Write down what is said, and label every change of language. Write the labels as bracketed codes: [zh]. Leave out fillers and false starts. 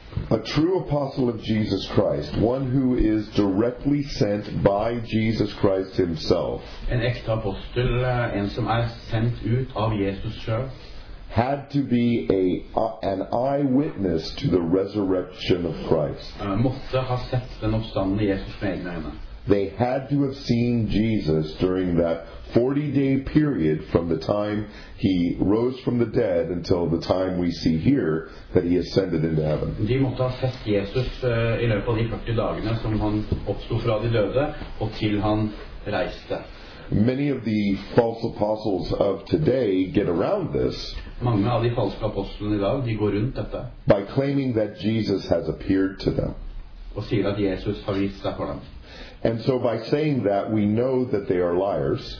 [en] A true apostle of Jesus Christ, one who is directly sent by Jesus Christ himself, [no] en ekte apostel, en som sendt ut av Jesus selv, [en] had to be an eyewitness to the resurrection of Christ. [no] Måtte ha sett den oppstandende Jesus med egne øyne. [en] They had to have seen Jesus during that 40-day period from the time he rose from the dead until the time we see here that he ascended into heaven. [no] De måtte ha sett Jesus I løpet av de 40 dagene som han oppsto fra de døde og til han reiste. [en] Many of the false apostles of today get around this. [no] Mange av de falske apostlene I dag, de går rundt dette. [en] By claiming that Jesus has appeared to them. [no] Og sier at Jesus har vist seg for dem. [en] And so by saying that, we know that they are liars.